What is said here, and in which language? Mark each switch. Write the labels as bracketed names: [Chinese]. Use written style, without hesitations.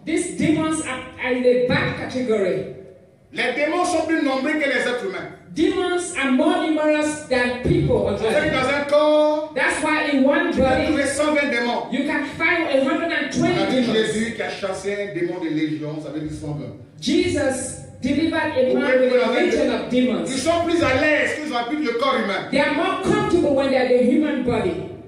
[English] These demons are in the bad category. [French] Les démons sont plus nombreux que les êtres humains. [English] Demons are more numerous than people. [French] C'est que dans un corps, [English] that's why in one body, [French] tu peux trouver 120 démons. [English] You can find 120 demons. [French] On a vu Jésus qui a chassé un démon de légion, ça veut dire 120. [English] Jesus delivered a man with a legion of demons. [French] Ils sont plus à l'aise qu'ils ont plus de corps humain. [English] They are more comfortable when they are the human body.